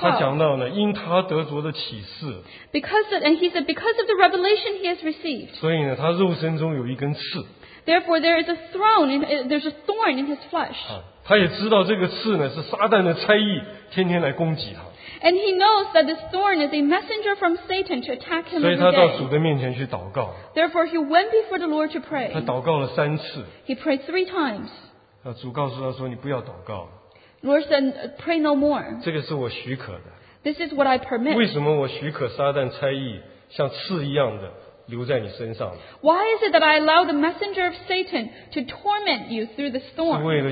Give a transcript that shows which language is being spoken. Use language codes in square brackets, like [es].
[zh] 他讲到呢, 因他得着的启示, [en] because of the revelation he has received, [zh] 所以呢, 他肉身中有一根刺, [en] therefore there's a thorn in his flesh. [zh] 他也知道这个刺呢是撒旦的差役天天来攻击他。 [en] And he knows that this thorn is a messenger from Satan to attack him. [zh] 所以他到主的面前去祷告。 [en] Therefore he went before the Lord to pray. [zh] 他祷告了三次。 [en] He prayed three times. [zh] 主告诉他说你不要祷告。 [en] Lord said, pray no more. [zh] 这个是我许可的。 [en] This is what I permit. [zh] 为什么我许可撒旦差役像刺一样的？ [en] Why is it that I allow the messenger of Satan to torment you through the storm?